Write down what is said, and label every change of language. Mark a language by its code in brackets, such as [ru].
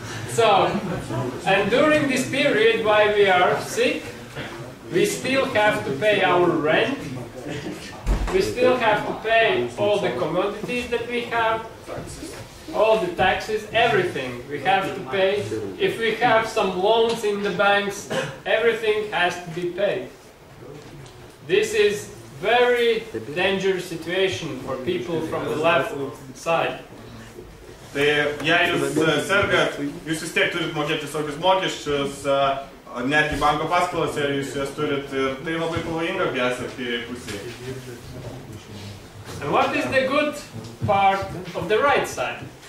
[en] So, and during this period while we are sick, we still have to pay our rent, we still have to pay all the commodities that we have, all the taxes, everything we have to pay. If we have some loans in the banks, everything has to be paid. This is very dangerous situation for people from the left side. [lt] Tai jei jūs sergat, jūs vis tiek turit mokėti visokius mokesčius, netgi banko paskolas, jei jūs jas turit, ir tai labai pavojinga, kai esat kairėj pusėje. [en] And what is the good part of the right side?